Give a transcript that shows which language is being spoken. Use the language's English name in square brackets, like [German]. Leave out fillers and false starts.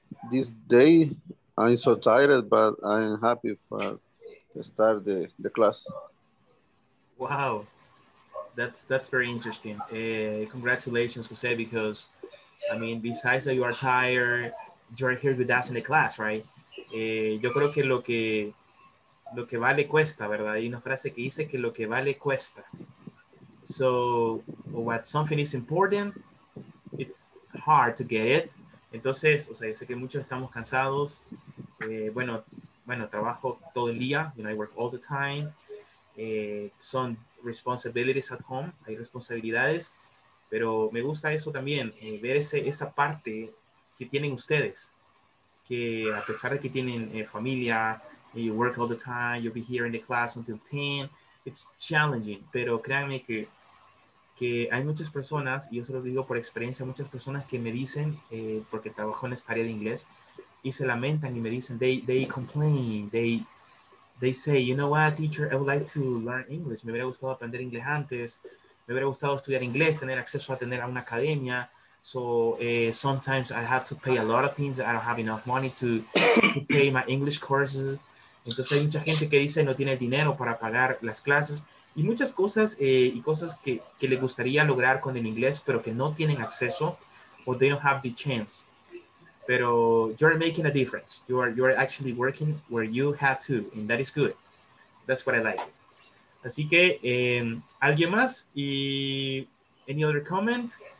[English] This day, I'm so tired, but I'm happy to start the class. Wow, that's very interesting. Congratulations, Jose, because, I mean, besides that you are tired, you're here with us in the class, right? [Spanish] Yo creo que lo que vale cuesta, ¿verdad? Hay una frase que dice que lo que vale cuesta. [English] So, what something is important, it's hard to get it. [Spanish] Entonces, o sea, yo sé que muchos estamos cansados. Bueno, trabajo todo el día. [English] You know, I work all the time. [Spanish] Son [English] responsibilities at home. [Spanish] Hay responsabilidades. Pero me gusta eso también, ver esa parte que tienen ustedes. Que a pesar de que tienen familia, [English] you work all the time, you'll be here in the class until 10. It's challenging, [Spanish] pero créanme que hay muchas personas, y yo se los digo por experiencia, muchas personas que me dicen, porque trabajo en esta área de inglés, y se lamentan y me dicen, [English] they complain, they say, you know what, teacher, I would like to learn English. [Spanish] Me hubiera gustado aprender inglés antes, me hubiera gustado estudiar inglés, tener acceso a tener a una academia. [English] So sometimes I have to pay a lot of things. I don't have enough money to pay my English courses. [Spanish] Entonces hay mucha gente que dice no tiene el dinero para pagar las clases y muchas cosas y cosas que le gustaría lograr con el inglés pero que no tienen acceso [English] or they don't have the chance. Pero you're making a difference. You are actually working where you have to and that is good. That's what I like. [Spanish] Así que alguien más y [English] any other comment?